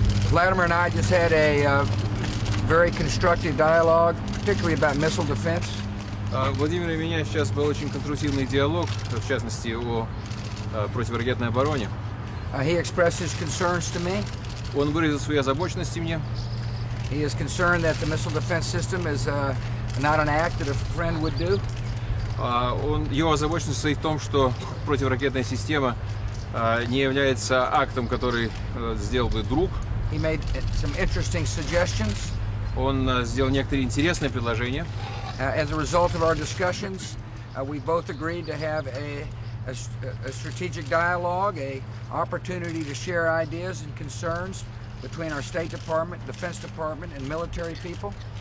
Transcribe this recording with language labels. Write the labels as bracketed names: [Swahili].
[English] Vladimir and I just had a very constructive dialogue, particularly about missile defense. [Russian] Владимир и меня сейчас был очень конструктивный диалог, в частности о противоракетной обороне. [English] He expressed his concerns to me. [Russian] Он выразил свои озабоченности мне. [English] He is concerned that the missile defense system is not an act that a friend would do. [Russian] Его озабоченность состоит в том, что противоракетная система не является актом, который сделал бы друг. [English] He made some interesting suggestions. [Russian] Он сделал некоторые интересные предложения. [English] As a result of our discussions, we both agreed to have a strategic dialogue, an opportunity to share ideas and concerns between our State Department, Defense Department, and military people.